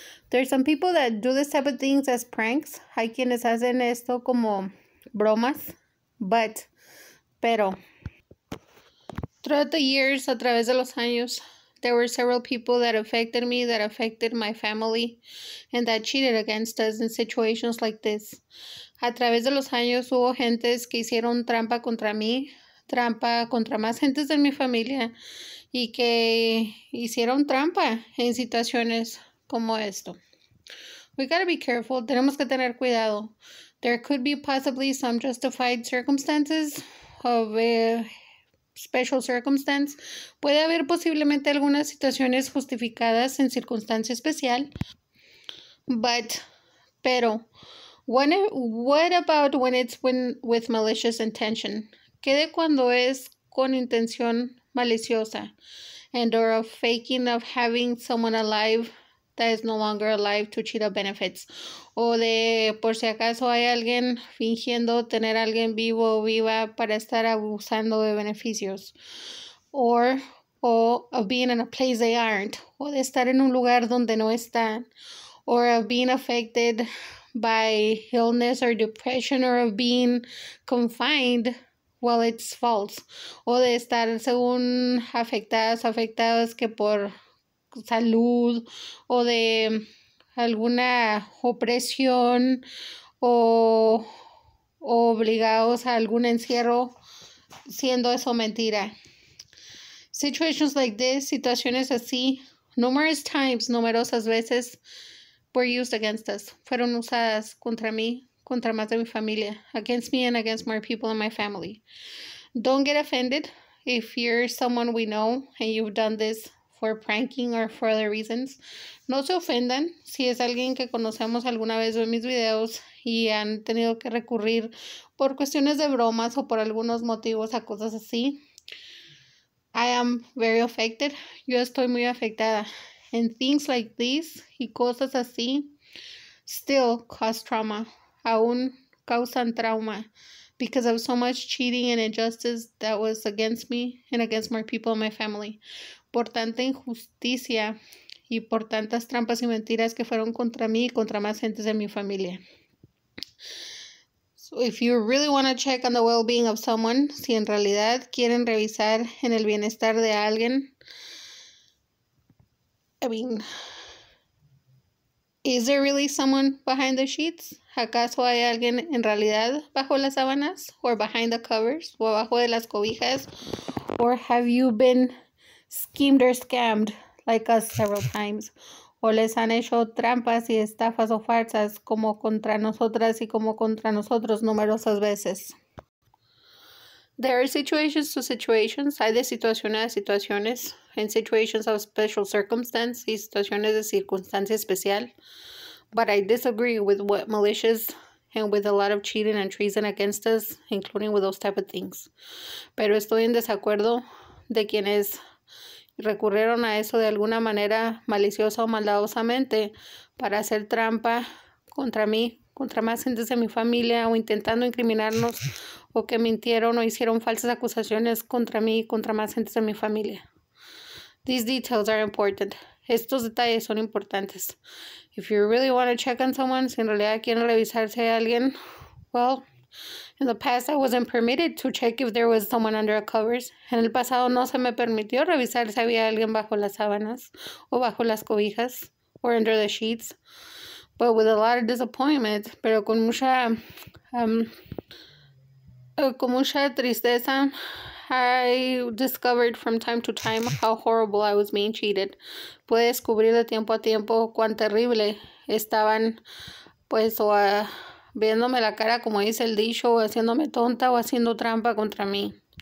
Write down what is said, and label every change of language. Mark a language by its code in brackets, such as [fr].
[en] There's some people that do this type of things as pranks. [es] Hay quienes hacen esto como bromas. [en] But, pero. Throughout the years, [es] a través de los años, [en] there were several people that affected me, that affected my family, and that cheated against us in situations like this. [es] A través de los años, hubo gentes que hicieron trampa contra mí, trampa contra más gentes de mi familia, y que hicieron trampa en situaciones como esto. [en] We gotta be careful. [es] Tenemos que tener cuidado. [en] There could be possibly some justified circumstances of special circumstance. [es] Puede haber posiblemente algunas situaciones justificadas en circunstancia especial. [en] But, pero, what about when it's with malicious intention? [es] ¿Qué de cuando es con intención maliciosa? [en] And or a faking of having someone alive that is no longer alive to cheat of benefits. [es] O de por si acaso hay alguien fingiendo tener a alguien vivo o viva para estar abusando de beneficios. [en] Or of being in a place they aren't. [es] O de estar en un lugar donde no están. [en] Or of being affected by illness or depression or of being confined. Well, it's false. [es] O de estar según afectadas que por salud o de alguna opresión o obligados a algún encierro, siendo eso mentira. [en] Situations like this, [es] situaciones así, [en] numerous times, [es] numerosas veces, [en] were used against us. [es] Fueron usadas contra mí, contra más de mi familia, [en] against me and against more people in my family. Don't get offended if you're someone we know and you've done this for pranking or for other reasons. [es] No se ofendan si es alguien que conocemos alguna vez en mis videos y han tenido que recurrir por cuestiones de bromas o por algunos motivos a cosas así. [en] I am very affected. [es] Yo estoy muy afectada. [en] And things like this [es] y cosas así [en] still cause trauma. [es] Aún causan trauma [en] because of so much cheating and injustice that was against me and against my people and my family. [es] Por tanta injusticia y por tantas trampas y mentiras que fueron contra mí y contra más gentes de mi familia. [en] So if you really want to check on the well-being of someone, [es] si en realidad quieren revisar en el bienestar de alguien, [en] I mean, is there really someone behind the sheets? [es] ¿Acaso hay alguien en realidad bajo las sábanas? [en] Or behind the covers? [es] O abajo de las cobijas? [en] Or have you been schemed or scammed, like us several times. [es] O les han hecho trampas y estafas o farsas como contra nosotras y como contra nosotros numerosas veces. [en] There are situations to situations. [es] Hay de situaciones a situaciones. [en] In situations of special circumstance [es] y situaciones de circunstancia especial. [en] But I disagree with what malicious and with a lot of cheating and treason against us, including with those type of things. [es] Pero estoy en desacuerdo de quienes recurrieron a eso de alguna manera maliciosa o maldadosamente para hacer trampa contra mí, contra más gente de mi familia o intentando incriminarnos o que mintieron o hicieron falsas acusaciones contra mí, contra más gente de mi familia. [en] These details are important. [es] Estos detalles son importantes. [en] If you really want to check on someone, [es] si en realidad quieren revisarse a alguien, [en] well, in the past, I wasn't permitted to check if there was someone under the covers. [es] En el pasado, no se me permitió revisar si había alguien bajo las sábanas o bajo las cobijas [en] or under the sheets. But with a lot of disappointment, [es] pero con mucha, con mucha tristeza, [en] I discovered from time to time how horrible I was being cheated. [es] Pude descubrir de tiempo a tiempo cuán terrible estaban, pues, o a viéndome la cara, como dice el dicho, o haciéndome tonta o haciendo trampa contra mí.